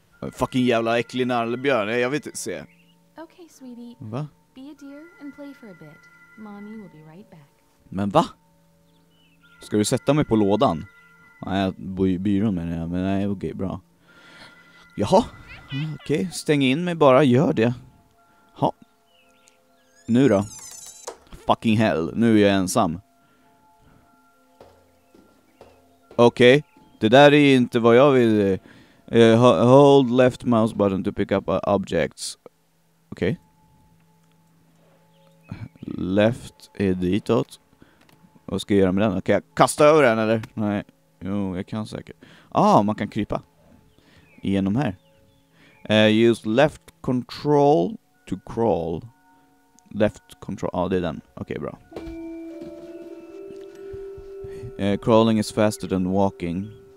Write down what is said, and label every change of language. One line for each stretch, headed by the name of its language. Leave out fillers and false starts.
Swedish: Fucking jävla äcklig nallebjörn, jag vet inte se.
English: Okay, sweetie.
Swedish: Va?
English: Be a deer and play for a bit. Mommy will be right back.
Swedish: Men va? Ska du sätta mig på lådan? Nej, jag bor i byrån menar jag, men nej, okej, bra. Jaha. Okej, stäng in mig bara, gör det. Ja. Nu då?
English: Fucking hell,
Swedish: nu är jag ensam. Okej, det där är inte vad jag vill.
English: Hold left mouse button to pick up objects.
Swedish: Okej. Left är ditåt. Vad ska jag göra med den? Kan jag kasta över den eller? Nej, jo, jag kan säkert. Ah, man kan krypa igenom här.
English: Use left control to crawl. Left control,
Swedish: ja, det är den. Okej, bra.
English: Crawling is faster than walking.